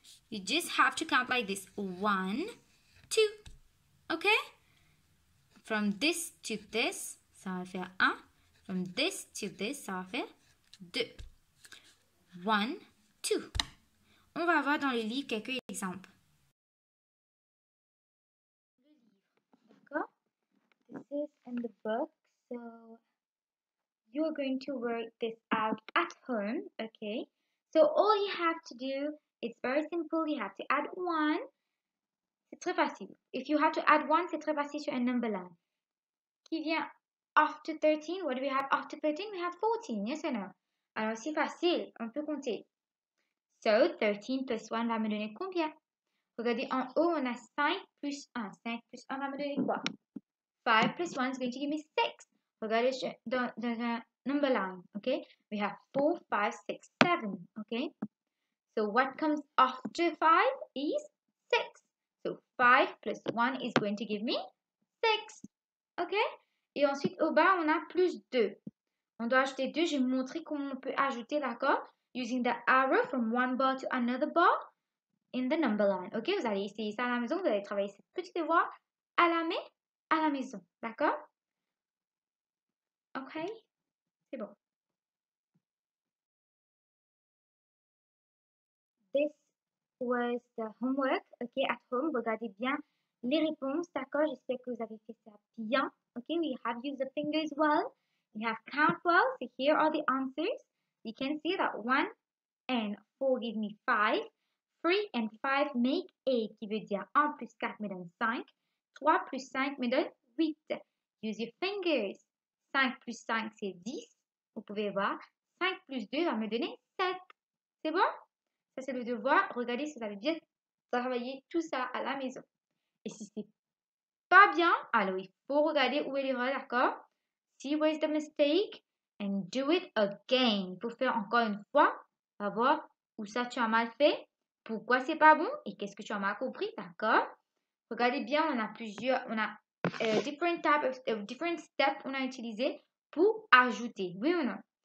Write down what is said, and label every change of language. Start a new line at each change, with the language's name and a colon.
English: You just have to count like this. 1, 2. Ok? From this to this,
French: ça va faire 1.
English: From this to this,
French: ça va faire 2.
English: 1, 2.
French: On va voir dans le livre quelques exemples. D'accord?
English: This is in the book, so you are going to work this out at home, okay? So, all you have to do, it's very simple, you have to add 1.
French: C'est très facile.
English: If you have to add 1,
French: c'est très facile sur un number line. Qui vient
English: after 13? What do we have after 13? We have 14, yes or no?
French: Alors, c'est facile, on peut compter. So, 13 plus 1 va me donner combien? Regardez, en haut, on a 5 plus 1. 5 plus 1 va me donner quoi?
English: 5 plus 1 is going to give me 6.
French: Regardez dans un
English: number line, ok? We have 4, 5, 6, 7, ok? So, what comes after 5 is 6. So, 5 plus 1 is going to give me 6, ok?
French: Et ensuite, au bas, on a plus 2. On doit ajouter 2. J'ai montré comment on peut ajouter, d'accord?
English: Using the arrow from one bar to another bar in the number line, ok?
French: Vous allez essayer ça à la maison. Vous allez travailler cette petite devoir à la maison, d'accord? Ok, c'est bon.
English: This was the homework, ok, at home.
French: Regardez bien les réponses, d'accord? J'espère que vous avez fait ça bien.
English: Ok, we have used the fingers well. We have count well. So here are the answers. You can see that 1 and 4 give me 5. 3 and 5 make 8,
French: qui veut dire 1 plus 4 me donne 5. 3 plus 5 me donne 8.
English: Use your fingers.
French: 5 plus 5, c'est 10. Vous pouvez voir, 5 plus 2 va me donner 7. C'est bon? Ça, c'est le devoir. Regardez si vous avez bien travaillé tout ça à la maison. Et si c'est pas bien, alors il faut regarder où est l'erreur, d'accord?
English: See where is the mistake and do it again.
French: Il faut faire encore une fois, savoir où ça tu as mal fait, pourquoi c'est pas bon et qu'est-ce que tu as mal compris, d'accord? Regardez bien, on a plusieurs, on a
English: different type of different steps
French: on a utilisé pour ajouter, oui ou non?